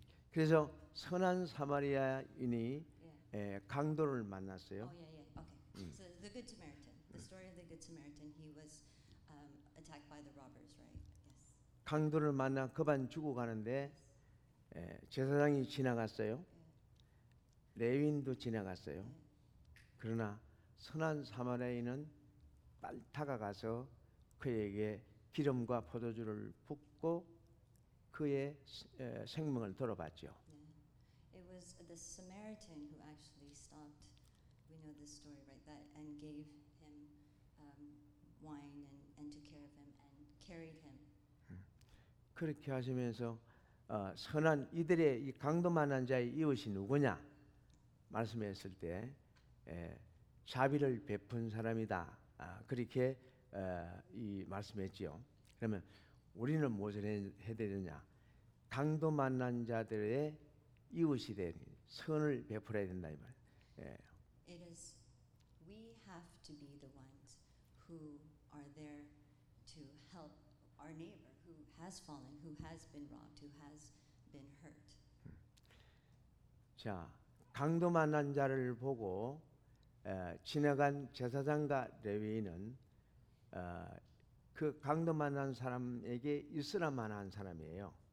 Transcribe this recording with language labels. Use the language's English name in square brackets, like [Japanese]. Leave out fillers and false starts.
[Korean] 그래서 선한 사마리아인이 강도를 만났어요. [English] So the Good Samaritan, the story of the Good Samaritan, he was attacked by the robbers, right? Yes. [Korean] 강도를 만나 그만 주고 가는데 제사장이 지나갔어요. 레위인도 지나갔어요. 그러나 선한 사마리아인은 빨리 다가가서 그에게 기름과 포도주를 붓고 그의 생명을 돌아봤죠. [English] Yeah. It was the Samaritan who actually stopped. We know this story, right? That and gave him wine and took care of him and carried him. [Korean] 그렇게 하시면서 선한 이들의 이 강도 만난 자의 이웃이 누구냐 말씀했을 때 자비를 베푼 사람이다. 그렇게 이 말씀했지요. 그러면 우리는 무엇을 해야 되느냐? 강도 만난 자들의 이웃이 된 선을 베풀어야 된다 이 말. [English] It is we have to be the ones who are there to help our neighbor who has fallen, who has been robbed, who has been hurt. [Korean] 자, 강도 만난 자를 보고 지나간 제사장과 레위인은 그 강도 만난 사람에게 있으라 만한 사람이에요.